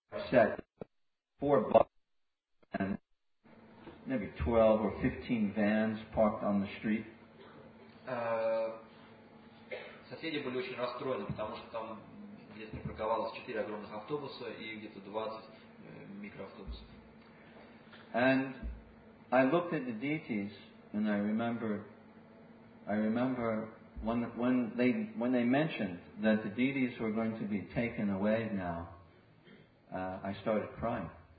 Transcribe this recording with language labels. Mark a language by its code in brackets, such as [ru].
[en] set four buses and maybe 12 or 15 vans parked on the street. [ru] Соседи были очень расстроены, потому что там где-то парковалось 4 огромных автобуса и где-то 20 микроавтобусов. [en] And I looked at the deities and I remember when they mentioned that the deities were going to be taken away now, I started crying.